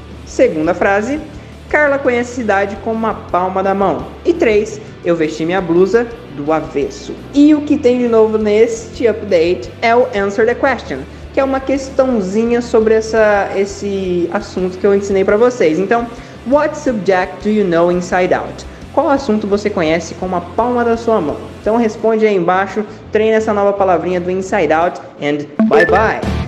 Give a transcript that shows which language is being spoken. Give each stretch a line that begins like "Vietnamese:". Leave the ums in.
Portuguese: Segunda frase, Carla conhece a cidade com uma palma da mão. E três, eu vesti minha blusa do avesso. E o que tem de novo neste update é o Answer the Question que é uma questãozinha sobre essa, esse assunto que eu ensinei para vocês.
English: Então, what subject do you know inside out?
Portuguese: Qual assunto você conhece com uma palma da sua mão? Então responde aí embaixo, treina essa nova palavrinha do inside out
English: and bye bye.